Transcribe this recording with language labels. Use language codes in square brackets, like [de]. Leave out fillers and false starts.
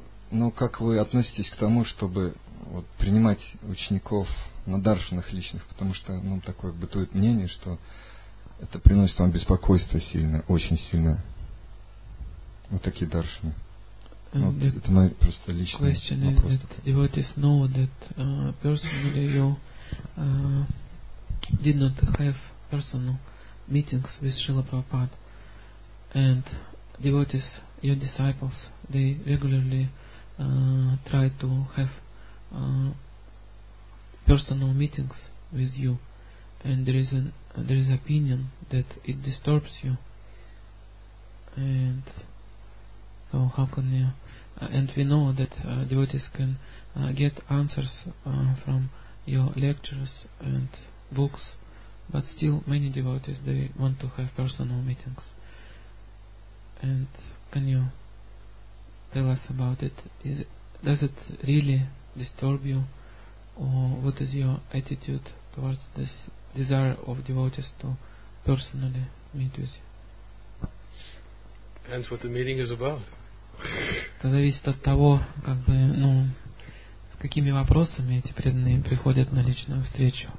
[ru] Но как вы относитесь к тому, чтобы вот принимать учеников на даршанах личных, потому что, ну, такое бытует мнение, что это приносит вам беспокойство сильно, очень сильно. Вот такие даршаны. Это мой просто личный вопрос. [en] Question is that devotees know that personally you did not have personal meetings with Srila Prabhupada. And devotees, your disciples, they regularly try to have personal meetings with you, and there is opinion that it disturbs you, and so how can you and we know that devotees can get answers from your lectures and books, but still many devotees, they want to have personal meetings. And can you tell us about it? Does it really disturb you, or what is your attitude towards this desire of devotees to personally meet with you? Depends what the meeting is about. [ru] Это зависит от того, как бы, ну, с какими вопросами эти преданные приходят на личную встречу.